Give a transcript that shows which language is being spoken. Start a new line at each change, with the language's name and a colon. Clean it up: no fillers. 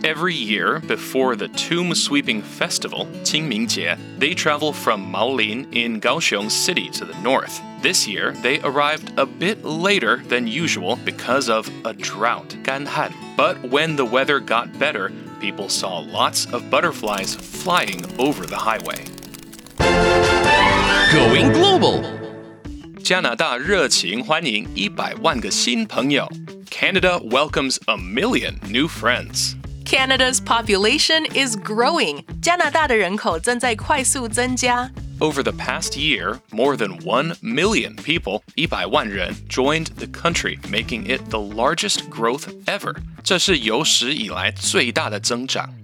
English: Every year, before the Tomb Sweeping Festival, 清明节, they travel from Maolin in Kaohsiung City to the north. This year, they arrived a bit later than usual because of a drought, 干旱. But when the weather got better, people saw lots of butterflies flying over the highway. Going global!
Chinese: 加拿大热情欢迎一百万个新朋友.
English: Canada welcomes a million new friends. Canada's population is growing.
Chinese: 加拿大的人口正在快速增加。
English: Over the past year, more than 1 million people, 一百万人, joined the country, making it the largest growth ever.
Chinese: 这是有史以来最大的增长。